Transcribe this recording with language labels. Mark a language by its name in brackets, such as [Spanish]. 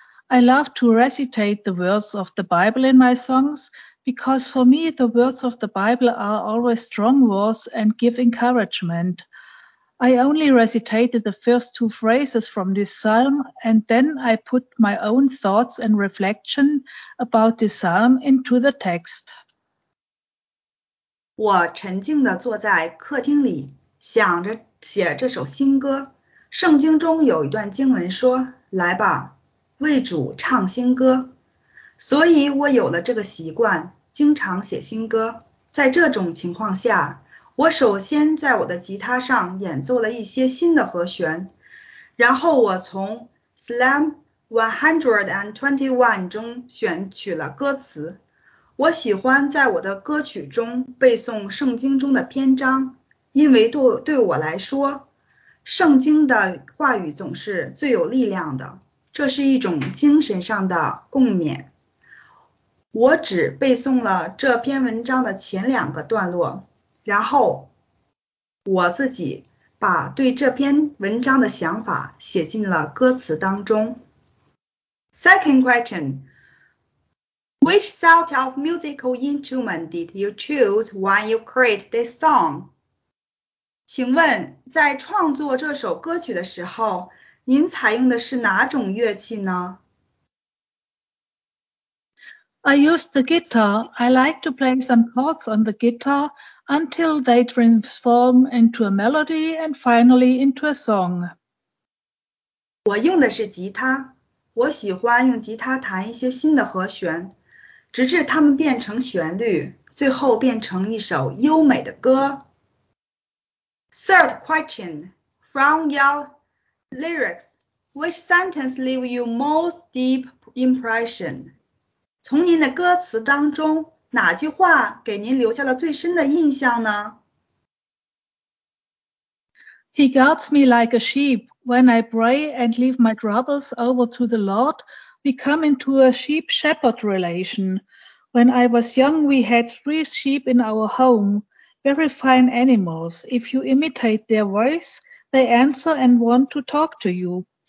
[English] I love to recitate the verse of the Bible in my songs, because for me, the words of the Bible are always strong words and give encouragement. I only recitated the first two phrases from this psalm, and then I put my own thoughts and reflection about this psalm into the text. [Chinese] 我沉静地坐在客厅里，想着写这首新歌。圣经中有一段经文说，来吧，为主唱新歌。所以我有了这个习惯，经常写新歌。在这种情况下，我首先在我的吉他上演奏了一些新的和弦，然后我从 Psalm 121 中选取了歌词。我喜欢在我的歌曲中背诵圣经中的篇章，因为对我来说，圣经的话语总是最有力量的，这是一种精神上的共勉。我只背诵了这篇文章的前两个段落，然后我自己把对这篇文章的想法写进了歌词当中。 [English] Second question, which sort of musical instrument did you choose when you create this song? [Chinese] 请问在创作这首歌曲的时候，您采用的是哪种乐器呢？ [English] I used the guitar. I like to play some chords on the guitar until they transform into a melody and finally into a song. [Chinese] 我用的是吉他，我喜欢用吉他弹一些新的和弦，直至它们变成旋律，最后变成一首优美的歌。 [English] Third question, from your lyrics, which sentence leave you most deep impression? [Chinese] 从您的歌词当中，哪句话给您留下了最深的印象呢？ [English] He guards me like a sheep. When I pray and leave my troubles over to the Lord, we come into a sheep-shepherd relation. When I was young, we had three sheep in our home, very fine animals. If you imitate their voice, they answer and want to talk to you.